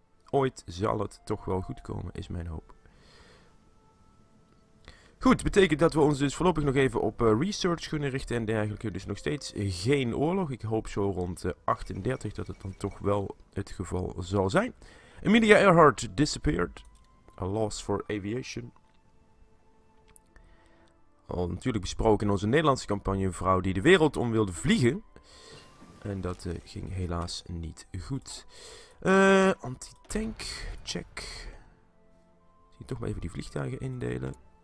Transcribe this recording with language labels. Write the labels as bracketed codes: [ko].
[nl] Ooit zal het toch wel goed komen, is mijn hoop. Goed, betekent dat we ons dus voorlopig nog even op research kunnen richten en dergelijke. Dus nog steeds geen oorlog. Ik hoop zo rond 38 dat het dan toch wel het geval zal zijn. [en] Amelia Earhart disappeared. A loss for aviation. [nl] Al natuurlijk besproken in onze Nederlandse campagne. Een vrouw die de wereld om wilde vliegen. En dat ging helaas niet goed. Anti-tank, check. Misschien toch maar even die vliegtuigen indelen.